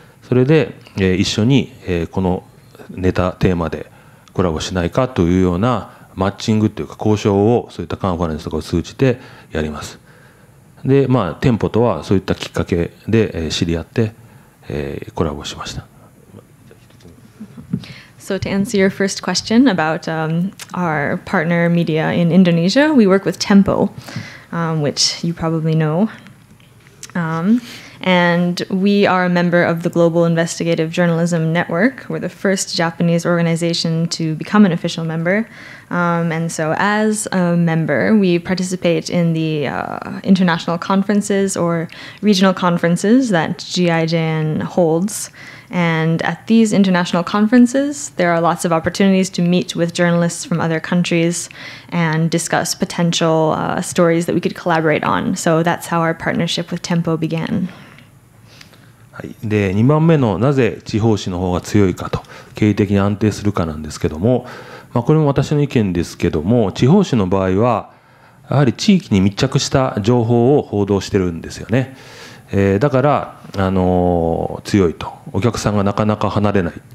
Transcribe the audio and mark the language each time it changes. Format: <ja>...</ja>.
<ja>それで一緒にこのネタテーマでコラボしないかというようなマッチングというか交渉を、そういったカンファレンスとかを通じてやります。でまあ店舗とはそういったきっかけで知り合ってコラボしました。</ja> <en>So to answer your first question about our partner media in Indonesia, we work with Tempo, which you probably know. And we are a member of the Global Investigative Journalism Network. We're the first Japanese organization to become an official member. And so as a member, we participate in the international conferences or regional conferences that GIJN holds. And at these international conferences, there are lots of opportunities to meet with journalists from other countries and discuss potential stories that we could collaborate on. So that's how our partnership with Tempo began.</en> <ja>はい、で2番目のなぜ地方紙の方が強いかと、経営的に安定するかなんですけども、まあ、これも私の意見ですけども、地方紙の場合は、やはり地域に密着した情報を報道してるんですよね。だから強いと、お客さんがなかなか離れない。</ja>